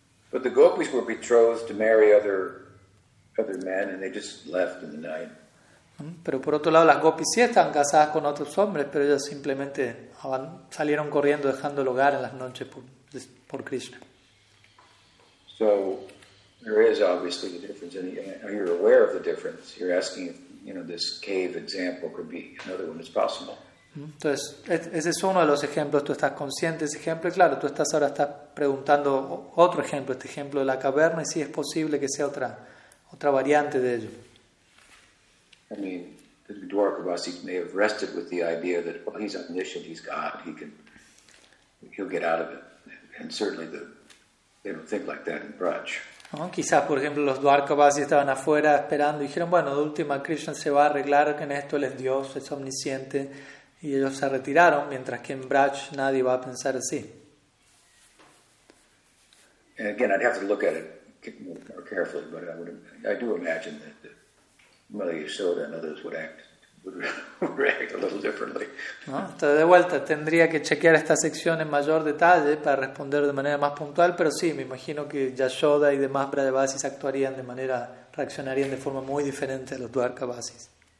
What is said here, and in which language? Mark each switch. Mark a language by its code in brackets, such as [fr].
[en] But the gopis were betrothed to marry other men, and they just left in the night. [es] Pero por otro lado, las gopis sí estaban casadas con otros hombres, pero ellas simplemente salieron corriendo dejando el hogar en las noches por Krishna. [en] So there is obviously a difference. Are you aware of the difference? You're asking if, you know, this cave example could be another one. It's possible. [es] Entonces, ese es uno de los ejemplos. Tú estás consciente de ese ejemplo. Claro, tú estás ahora estás preguntando otro ejemplo, este ejemplo de la caverna, y sí es posible que sea otra variante de ello. [en] I mean, the Dwarkavasi may have rested with the idea that, well, he's omniscient, he's God, he'll get out of it. And certainly they don't think like that in Braj. [es] Quizás, por ejemplo, los Dwarkavasi estaban afuera esperando y dijeron, bueno, de última, Krishna se va a arreglar en esto, él es Dios, es omnisciente, y ellos se retiraron, mientras que en Braj nadie va a pensar así. [en] And again, I'd have to look at it more carefully, but I do imagine that Mother Yasoda and others would react a little differently. [es] No, de vuelta, tendría que chequear esta sección en mayor detalle para responder de manera más puntual, pero sí, me imagino que Yasoda y demás Brajavasis reaccionarían de forma muy diferente a los Dwarkavasis.